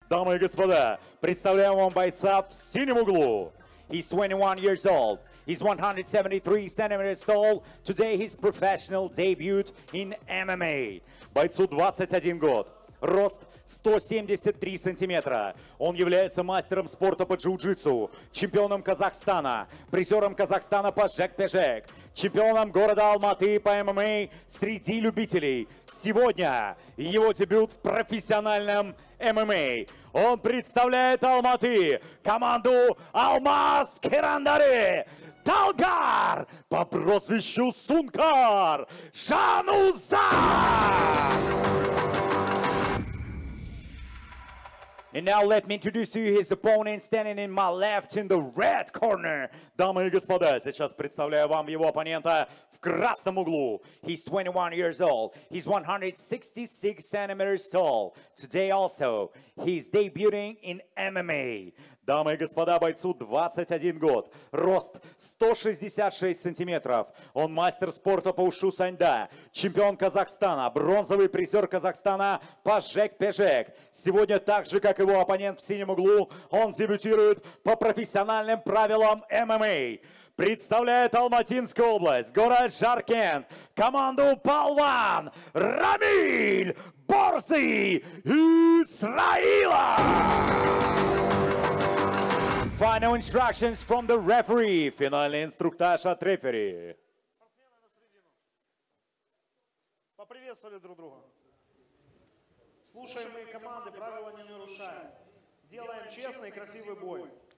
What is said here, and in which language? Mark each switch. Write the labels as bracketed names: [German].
[Russian] Дамы и господа, представляем вам бойца в синем углу. [English] He's 21 years old. He's 173 centimeters tall. Today his professional debut in MMA. [Russian] Бойцу 21 год. Рост 173 сантиметра. Он является мастером спорта по джиу-джитсу, чемпионом Казахстана, призером Казахстана по жек-пежек, чемпионом города Алматы по ММА среди любителей. Сегодня его дебют в профессиональном ММА. Он представляет Алматы, команду «Алмаз Керандары». Талгар по прозвищу Сункар Жануза! [English] And now let me introduce to you his opponent standing in my left in the red corner. [Russian] Дамы и господа, сейчас представляю вам его оппонента в красном углу. [English] He's 21 years old. He's 166 centimeters tall. Today also, he's debuting in MMA. [Russian] Дамы и господа, бойцу 21 год. Рост 166 сантиметров. Он мастер спорта по ушу саньда. Чемпион Казахстана. Бронзовый призер Казахстана Пажек-Пежек. Сегодня так же, как его оппонент в синем углу, он дебютирует по профессиональным правилам ММА. Представляет Алматинскую область, город Жаркент, команду Палван, Рамиль Борзый Исраила! [English] Final instructions from the referee. [Russian] Финальный инструктаж от рефери. Спортсмены на середину. Поприветствовали друг друга. Слушаем мои команды, правила не нарушаем. Делаем честный и красивый бой.